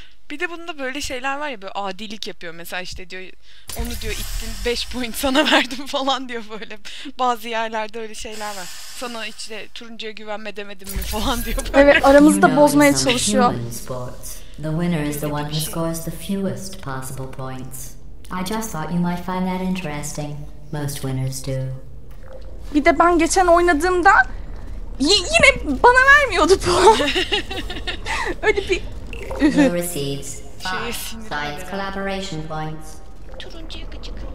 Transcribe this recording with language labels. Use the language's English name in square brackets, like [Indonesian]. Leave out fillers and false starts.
[Turkish] Bir de bunda böyle şeyler var ya, böyle adilik yapıyor mesela, işte diyor onu diyor ittin 5 point sana verdim falan diyor böyle. Bazı yerlerde öyle şeyler var. Sana işte turuncuya güvenme demedim mi falan diyor böyle. Evet, aramızda bozmaya çalışıyor. [English] The winner is the one who scores the fewest possible points. I just thought you might find that interesting. Most winners do. [Turkish] Bir de ben geçen oynadığımda yine bana vermiyordu puan. Öyle bir ühü. Şey sinirlendir. Turuncu yakıcık.